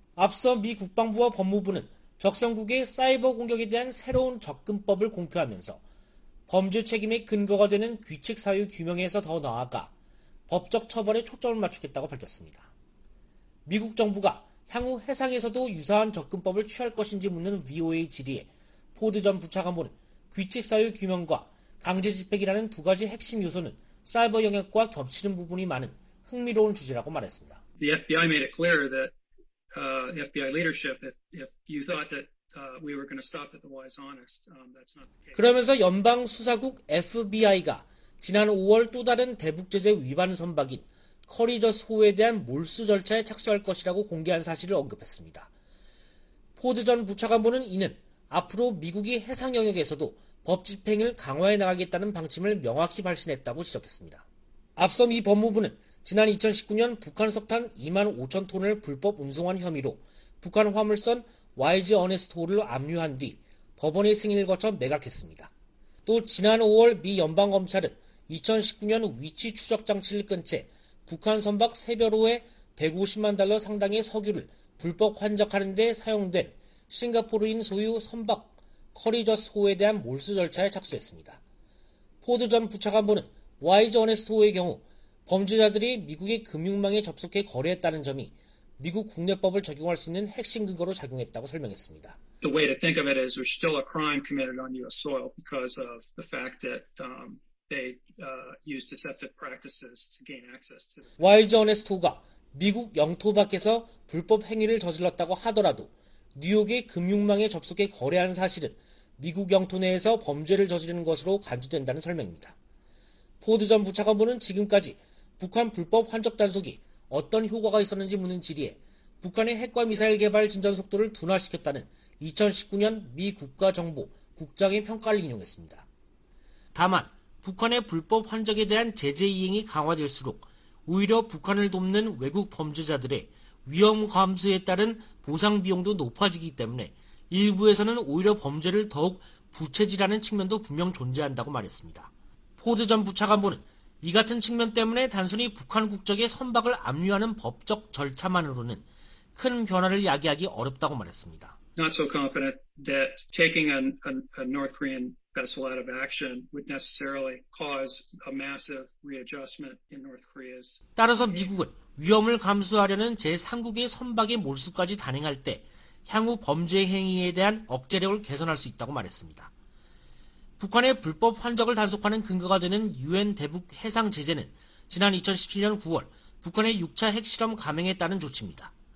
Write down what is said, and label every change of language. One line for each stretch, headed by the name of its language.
Korean: 앞서 미 국방부와 법무부는 적성국의 사이버 공격에 대한 새로운 접근법을 공표하면서 범죄 책임의 근거가 되는 규칙 사유 규명에서 더 나아가 법적 처벌에 초점을 맞추겠다고 밝혔습니다. 미국 정부가 향후 해상에서도 유사한 접근법을 취할 것인지 묻는 VOA 질의에 포드 전 부차관보는 규칙 사유 규명과 강제 집행이라는 두 가지 핵심 요소는 사이버 영역과 겹치는 부분이 많은 흥미로운 주제라고 말했습니다.
English: The FBI made it clear that FBI leadership if you thought that we were going to stop at the wise honest that's not the case.
Korean: 그러면서 연방 수사국 FBI가 지난 5월 또 다른 대북 제재 위반 선박인 커리저스 호에 대한 몰수 절차에 착수할 것이라고 공개한 사실을 언급했습니다. 포드 전 부차관보는 이는 앞으로 미국이 해상 영역에서도 법 집행을 강화해 나가겠다는 방침을 명확히 발신했다고 지적했습니다. 앞서 미 법무부는 지난 2019년 북한 석탄 2만 5천 톤을 불법 운송한 혐의로 북한 화물선 YG 어네스토를 압류한 뒤 법원의 승인을 거쳐 매각했습니다. 또 지난 5월 미 연방검찰은 2019년 위치 추적 장치를 끈 채 북한 선박 세별호에 150만 달러 상당의 석유를 불법 환적하는 데 사용된 싱가포르인 소유 선박 커리저스 호에 대한 몰수 절차에 착수했습니다. 포드 전 부차관보는 YG 어네스토의 경우 범죄자들이 미국의 금융망에 접속해 거래했다는 점이 미국 국내법을 적용할 수 있는 핵심 근거로 작용했다고 설명했습니다.
English: The way to think of it is there's still a crime committed on US soil because of the fact that they used deceptive practices to gain access to
Korean: YG 어네스토가 미국 영토 밖에서 불법 행위를 저질렀다고 하더라도 뉴욕의 금융망에 접속해 거래한 사실은 미국 영토 내에서 범죄를 저지르는 것으로 간주된다는 설명입니다. 포드 전 부차관보는 지금까지 북한 불법 환적 단속이 어떤 효과가 있었는지 묻는 질의에 북한의 핵과 미사일 개발 진전 속도를 둔화시켰다는 2019년 미 국가정보 국장의 평가를 인용했습니다. 다만 북한의 불법 환적에 대한 제재 이행이 강화될수록 오히려 북한을 돕는 외국 범죄자들의 위험 감소에 따른 보상 비용도 높아지기 때문에 일부에서는 오히려 범죄를 더욱 부채질하는 측면도 분명 존재한다고 말했습니다. 포드 전 부차관보는 이 같은 측면 때문에 단순히 북한 국적의 선박을 압류하는 법적 절차만으로는 큰 변화를 야기하기 어렵다고 말했습니다.
English: Not so confident that taking a North Korean vessel out of action would necessarily cause a massive readjustment in North Korea's.
Korean: 따라서 미국은 위험을 감수하려는 제3국의 선박의 몰수까지 단행할 때 향후 범죄 행위에 대한 억제력을 개선할 수 있다고 말했습니다. 북한의 불법 환적을 단속하는 근거가 되는 유엔 대북 해상 제재는 지난 2017년 9월 북한의 6차 핵실험 감행에 따른 조치입니다.